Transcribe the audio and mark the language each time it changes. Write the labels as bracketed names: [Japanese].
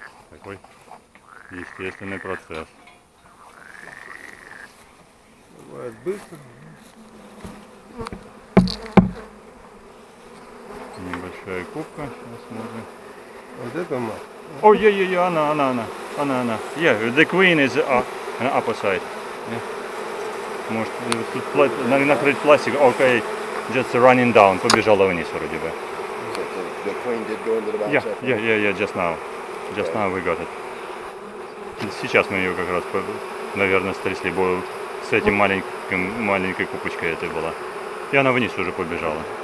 [Russian] Такой естественный процесс. Бывает быстро. Небольшая кубка, сейчас можно. Вот это мы. О, ей, она. [English] Я, the queen is on the upper side. Yeah. [Russian] Может, тут накрыть пластик. [English] Окей, just running down. [Russian] Побежала вниз вроде бы. [English] The queen did go into the back. Yeah, just now. Just now we got it. [Russian] Сейчас мы ее как раз, наверное, стрясли. С этим маленькой купочкой этой была. И она вниз уже побежала.